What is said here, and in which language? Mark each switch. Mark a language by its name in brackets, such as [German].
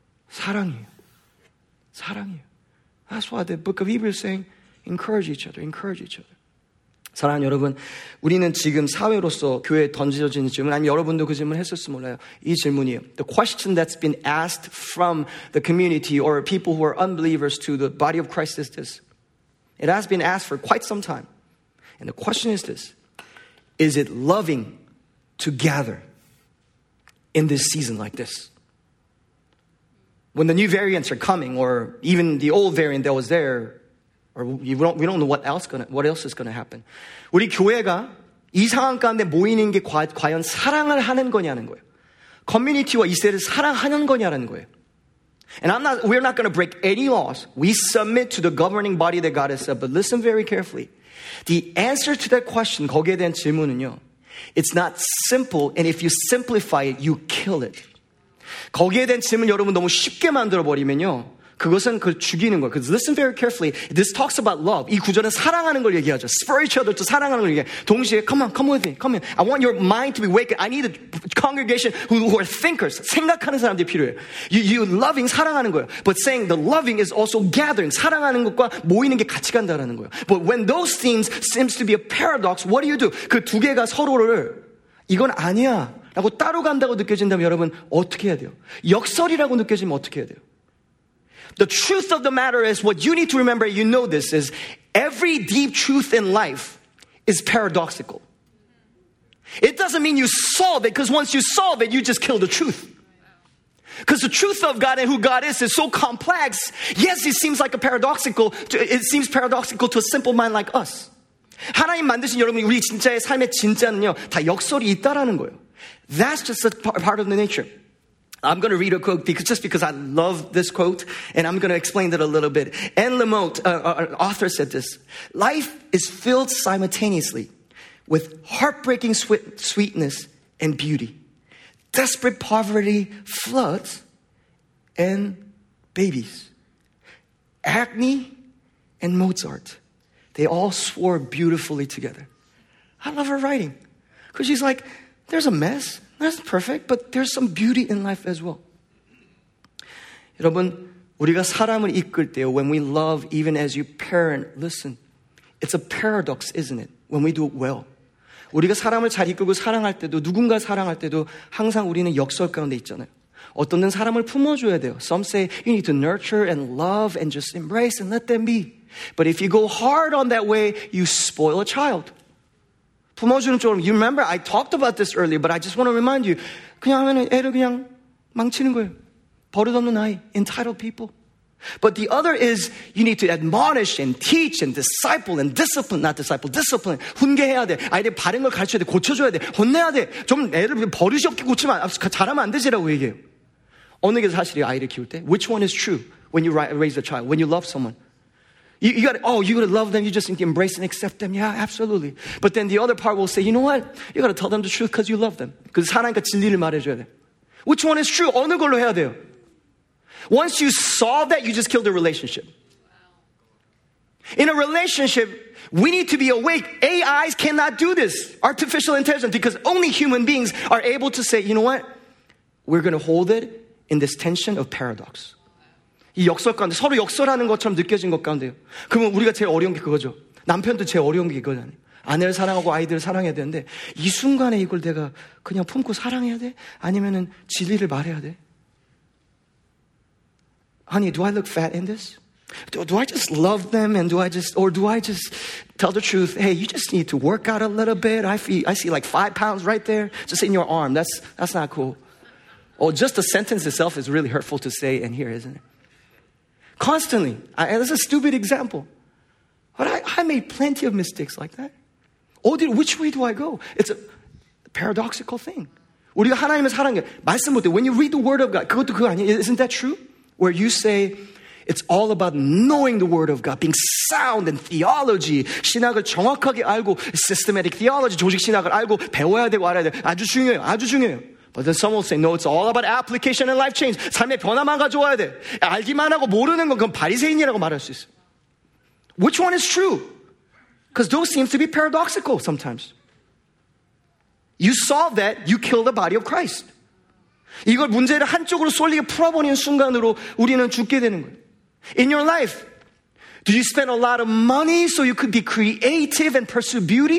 [Korean] 사랑이에요. 사랑이에요. [English] That's why the book of Hebrews is saying, encourage each other, encourage each other. [Korean] 사랑하는 여러분, 우리는 지금 사회로서 교회에 던져진 질문, 아니면 여러분도 그 질문을 했었을지 몰라요. 이 질문이에요. [English] The question that's been asked from the community or people who are unbelievers to the body of Christ is this. It has been asked for quite some time. And the question is this. Is it loving to gather in this season like this? When the new variants are coming, or even the old variant that was there, or we don't know what else is going to happen. [Korean] 우리 교회가 이 상황 가운데 모이는 게 과연 사랑을 하는 거냐는 거예요. 커뮤니티와 이 세대를 사랑하는 거냐는 거예요. [English] And we're not going to break any laws. We submit to the governing body that God has said. But listen very carefully. The answer to that question, [Korean] 거기에 대한 질문은요. [English] It's not simple, and if you simplify it, you kill it. [Korean] 거기에 대한 질문 여러분 너무 쉽게 만들어버리면요. 그것은 그 죽이는 거예요. [English] Because listen very carefully. This talks about love. [Korean] 이 구절은 사랑하는 걸 얘기하죠. [English] Spur each other to [Korean] 사랑하는 걸 얘기해. 동시에 [English] come on, come with me, come in. I want your mind to be awakened. I need a congregation who are thinkers. [Korean] 생각하는 사람들이 필요해. [English] You loving, [Korean] 사랑하는 거예요. [English] But saying the loving is also gathering. [Korean] 사랑하는 것과 모이는 게 같이 간다라는 거예요. [English] But when those things seems to be a paradox, what do you do? [Korean] 그 두 개가 서로를 이건 아니야 라고 따로 간다고 느껴진다면 여러분 어떻게 해야 돼요? 역설이라고 느껴지면 어떻게 해야 돼요? [English] The truth of the matter is, what you need to remember, you know this, is every deep truth in life is paradoxical. It doesn't mean you solve it, because once you solve it, you just kill the truth. Because the truth of God and who God is so complex. Yes, it seems like a paradoxical. It seems paradoxical to a simple mind like us. [Korean] 하나님 만드신 여러분이 우리 진짜의 삶의 진짜는요 다 역설이 있다라는 거예요. [English] That's just a part of the nature. I'm going to read a quote because, just because I love this quote, and I'm going to explain it a little bit. Anne Lamott, an author, said this: "Life is filled simultaneously with heartbreaking sweetness and beauty, desperate poverty, floods, and babies, acne, and Mozart. They all swore beautifully together." I love her writing because she's like, there's a mess. That's perfect, but there's some beauty in life as well. [Korean] 여러분, 우리가 사람을 이끌 때요, [English] when we love, even as you parent, listen, it's a paradox, isn't it? When we do it well. [Korean] 우리가 사람을 잘 이끌고 사랑할 때도, 누군가 사랑할 때도 항상 우리는 역설 가운데 있잖아요. 어떤 데는 사람을 품어줘야 돼요. [English] Some say you need to nurture and love and just embrace and let them be. But if you go hard on that way, you spoil a child. [Korean] 품어주는 쪽으로, [English] you remember, I talked about this earlier, but I just want to remind you. [Korean] 그냥 하면 애를 그냥 망치는 거예요. 버릇없는 아이, [English] entitled people. But the other is, you need to admonish and teach and disciple and discipline, not disciple, discipline. [Korean] 훈계해야 돼. 아이들 바른 걸 가르쳐야 돼. 고쳐줘야 돼. 혼내야 돼. 좀 애를 버릇이 없게 고치면, 잘하면 안 되지라고 얘기해요. 어느 게 사실이에요, 아이를 키울 때? [English] Which one is true when you raise a child, when you love someone? You gotta love them. You just need to embrace and accept them. Yeah, absolutely. But then the other part will say, you know what? You gotta tell them the truth because you love them. [Korean] 그래서 사랑하니까 진리를 말해줘야 돼. [English] Which one is true? [Korean] 어느 걸로 해야 돼요? [English] Once you solve that, you just killed the relationship. In a relationship, we need to be awake. AIs cannot do this. Artificial intelligence, because only human beings are able to say, you know what? We're gonna hold it in this tension of paradox. [Korean] 이 역설 가운데, 서로 역설하는 것처럼 느껴진 것 가운데요. 그러면 우리가 제일 어려운 게 그거죠. 남편도 제일 어려운 게 이거잖아요. 아내를 사랑하고 아이들을 사랑해야 되는데 이 순간에 이걸 내가 그냥 품고 사랑해야 돼? 아니면은 진리를 말해야 돼? [English] Honey, do I look fat in this? Do I just love them and do I just tell the truth? Hey, you just need to work out a little bit. I see like 5 pounds right there just in your arm. That's not cool. Oh, just the sentence itself is really hurtful to say and hear, isn't it? Constantly. That's a stupid example. But I made plenty of mistakes like that. Oh, dude, which way do I go? It's a paradoxical thing. [Korean] 우리가 하나님을 사랑해. 말씀 못해. [English] When you read the word of God, [Korean] 그것도 그거 아니야? [English] Isn't that true? Where you say, it's all about knowing the word of God, being sound in theology, [Korean] 신학을 정확하게 알고, [English] systematic theology, [Korean] 조직 신학을 알고, 배워야 되고 알아야 돼. 아주 중요해요. [English] 아주 중요해요. But then some will say, no, it's all about application and life change. [Korean] 삶의 변화만 가져와야 돼. 알기만 하고 모르는 건 그건 바리새인이라고 말할 수 있어. [English] Which one is true? Because those seem to be paradoxical sometimes. You solve that, you kill the body of Christ. [Korean] 이걸 문제를 한쪽으로 쏠리게 풀어버리는 순간으로 우리는 죽게 되는 거예요. [English] In your life, do you spend a lot of money so you could be creative and pursue beauty?